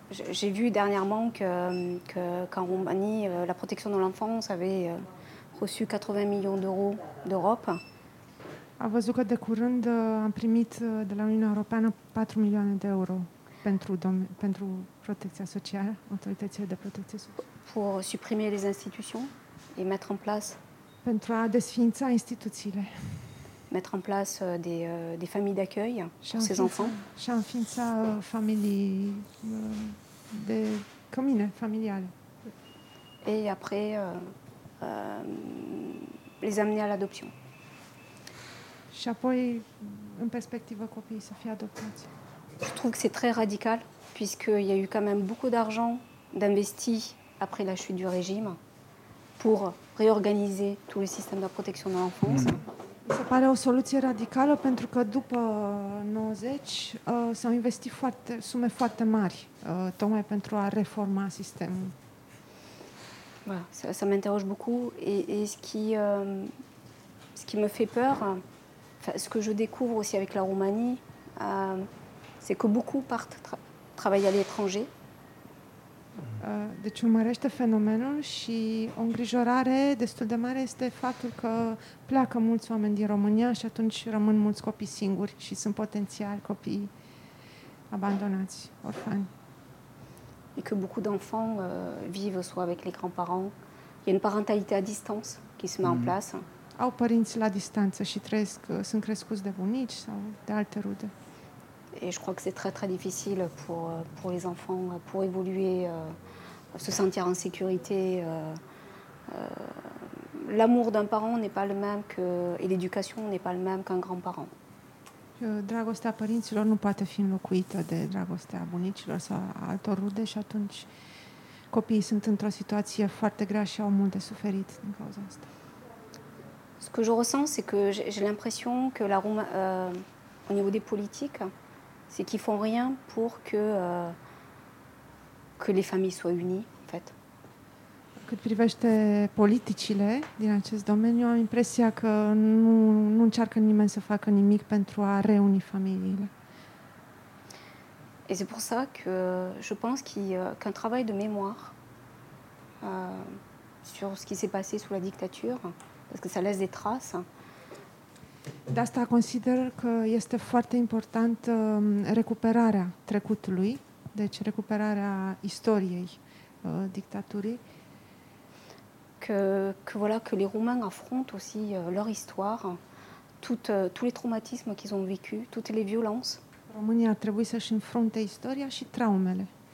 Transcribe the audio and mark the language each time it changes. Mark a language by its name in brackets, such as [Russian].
[French] J'ai vu dernièrement qu'en Roumanie, la protection de l'enfance avait reçu 80 millions d'euros d'Europe. [Romanian] A văzut că de curând am primit de la Uniunea Europeană 4 milioane de euro pentru protecția socială, autoritățile de protecție socială. [French] Pour supprimer les institutions et mettre en place. [Romanian] Pentru a desfința instituțiile. [French] Mettre en place des familles d'accueil pour ces enfants. [Romanian] Și a înființa familii de cămine familiale. [French] Et après les amener à l'adoption. [Romanian] Și apoi în perspectivă copiii să fie adoptați. [French] Je trouve que c'est très radical puisqu'il y a eu quand même beaucoup d'argent d'investi après la chute du régime pour réorganiser tout le système de protection de l'enfance. Ça paraît une solution radicale parce que [Romanian] după 90, s-au investi foarte sume foarte mari, tocmai pentru a reforma sistemul. [French] Voilà, ça m'interroge beaucoup et ce qui me fait peur, ce que je découvre aussi avec la Roumanie, c'est que beaucoup partent travailler à l'étranger. [Romanian] Deci urmărește fenomenul și o îngrijorare destul de mare este faptul că pleacă mulți oameni din România și atunci rămân mulți copii singuri și sunt potențial copii abandonați, orfani. [French] Et que beaucoup d'enfants vivent soit avec les grands-parents, il y a une parentalité à distance qui se met en place. [Romanian] Au părinți la distanță și trăiesc, sunt crescuți de bunici sau de alte rude. [French] Et je crois que c'est très très difficile pour les enfants pour évoluer, se sentir en sécurité. L'amour d'un parent n'est pas le même que et l'éducation n'est pas le même qu'un grand-parent. [Romanian] Dragostea părinților nu poate fi înlocuită de dragostea bunicilor sau altor rude și atunci copiii sunt într-o situație foarte grea și au mult de suferit din cauza asta. [French] Ce que je ressens, c'est que j'ai l'impression que la Roumanie, au niveau des politiques, c'est qu'ils font rien pour que les familles soient unies, en fait. [Romanian] Cât privește politicile din acest domeniu, am impresia că nu încearcă nimeni să facă nimic pentru a reuni familiile. [French] Et c'est pour ça que je pense qu'un travail de mémoire sur ce qui s'est passé sous la dictature, parce que ça laisse des traces. [Romanian] De asta consider că este foarte important recuperarea trecutului, deci recuperarea istoriei dictaturii. [French] Que voilà que les Roumains affrontent aussi leur histoire, tous les traumatismes qu'ils ont vécu, toutes les violences. [Romanian] România ar trebui să-și înfrunte istoria și traumele.